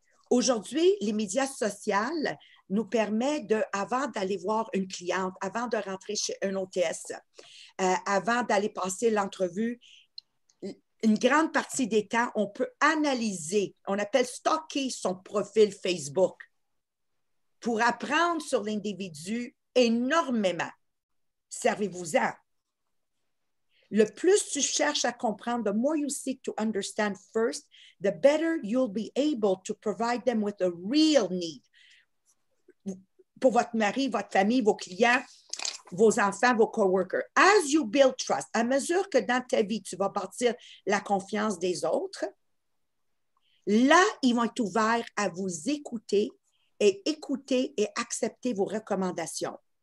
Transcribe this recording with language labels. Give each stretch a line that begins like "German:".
French: Aujourd'hui, les médias sociaux nous permettent avant d'aller voir une cliente, avant de rentrer chez un hôtesse, avant d'aller passer l'entrevue, une grande partie des temps, on peut analyser, on appelle stocker son profil Facebook pour apprendre sur l'individu énormément. Servez-vous-en. Le plus tu cherches à comprendre,
English: the more you seek to understand first, the better you'll be able to provide them with a real need.
French: Pour votre mari, votre famille, vos clients, vos enfants, vos coworkers.
English: As you build trust,
French: à mesure que dans ta vie, tu vas bâtir la confiance des autres, là, ils vont être ouverts à vous écouter et accepter vos recommandations.